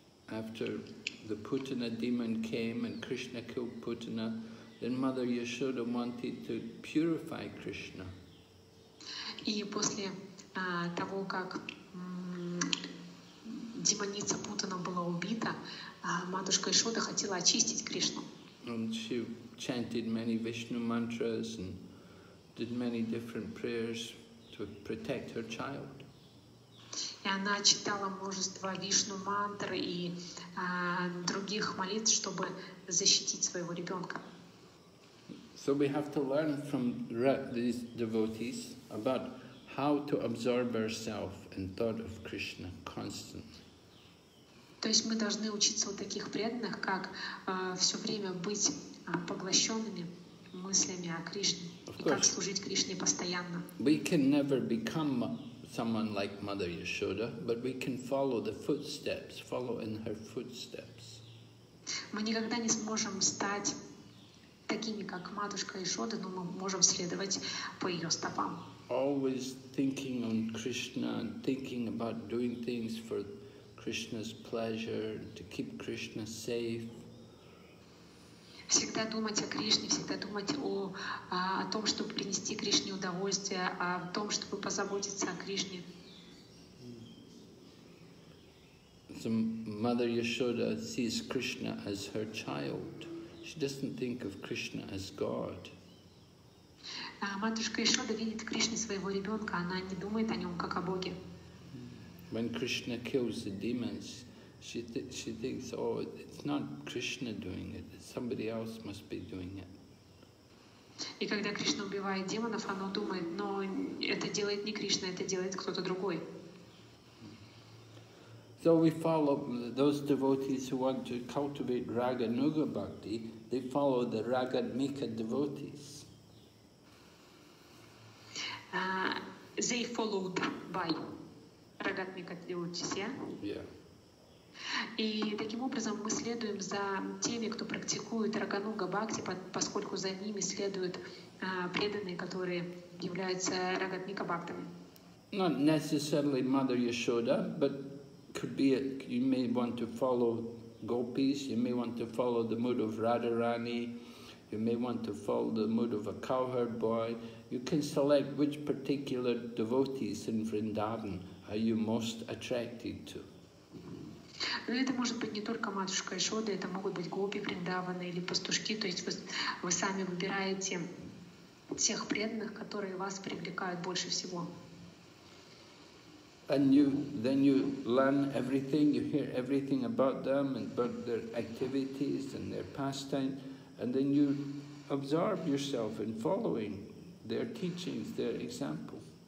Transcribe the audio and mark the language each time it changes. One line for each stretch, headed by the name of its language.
English: After the Putana demon came and Krishna killed Putana, then Mother Yashoda wanted to purify Krishna.
Russian: И после того, как демоница Путана была убита, матушка Ишода хотела очистить Кришну.
English: And she chanted many Vishnu mantras and did many different prayers to protect her child.
Russian: И она читала множество вишну мантр и других молитв, чтобы защитить своего ребенка.
English: So we have to learn from these devotees about how to absorb ourselves in thought of Krishna constantly.
Russian: То есть мы должны учиться у таких преданных, как все время быть поглощенными мыслями о Кришне и как служить Кришне постоянно.
English: We can never become someone like Mother Yashoda, but we can follow the footsteps, follow in her footsteps.
Russian: Мы никогда не сможем стать такими, как Матушка Яшода, но мы можем следовать по ее стопам.
English: Always thinking on Krishna, thinking about doing things for Krishna's pleasure, to keep Krishna safe.
Russian: Всегда думать о Кришне, всегда думать о том, чтобы принести Кришне удовольствие, о том, чтобы позаботиться о Кришне.
English: So Mother Yashoda sees Krishna as her child. She doesn't think of Krishna as God.
Russian: Матушка Яшода видит в Кришне своего ребенка, она не думает о нем как о Боге.
English: When Krishna kills the demons, she thinks, oh, it's not Krishna doing it, somebody else must be doing it.
Russian: И когда Кришна убивает демонов, она думает, но это делает не Кришна, это делает кто-то другой.
English: So we follow those devotees who want to cultivate Raga Nuga Bhakti, they follow the Raga Mika devotees. They followed by
Russian: Рагатмика Девотис, и таким образом мы следуем за теми, кто практикует Рагануга Бхакти, поскольку за ними следуют преданные, которые являются Рагатмика Бхактами.
English: Not necessarily Mother Yashoda, but could be a, you may want to follow gopis, you may want to follow the mood of Radharani, you may want to follow the mood of a cowherd boy. You can select which particular devotees in Vrindavan are you most attracted to.
Russian: Но это может быть не только матушка Яшода, это могут быть гопи Вриндаваны или пастушки. То есть вы сами выбираете тех преданных, которые вас привлекают больше всего.
English: And you, then you learn everything, you hear everything about them and about their activities and their pastime, and then you absorb yourself in following their teachings, their example.